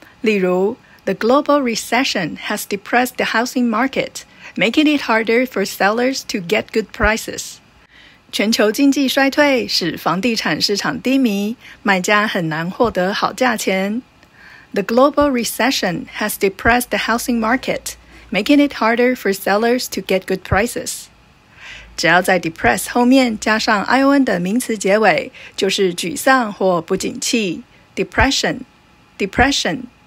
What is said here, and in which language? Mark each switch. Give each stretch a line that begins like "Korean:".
English: 例如 The global recession has depressed the housing marketMaking it harder for sellers to get good prices.
Chinese: 全球经济衰退使房地产市场低迷，卖家很难获得好价钱。
English: The global recession has depressed the housing market, making it harder for sellers to get good prices.
Chinese: 只要在 depress 后面加上 ion 的名词结尾，就是沮丧或不景气。 Depression, depression.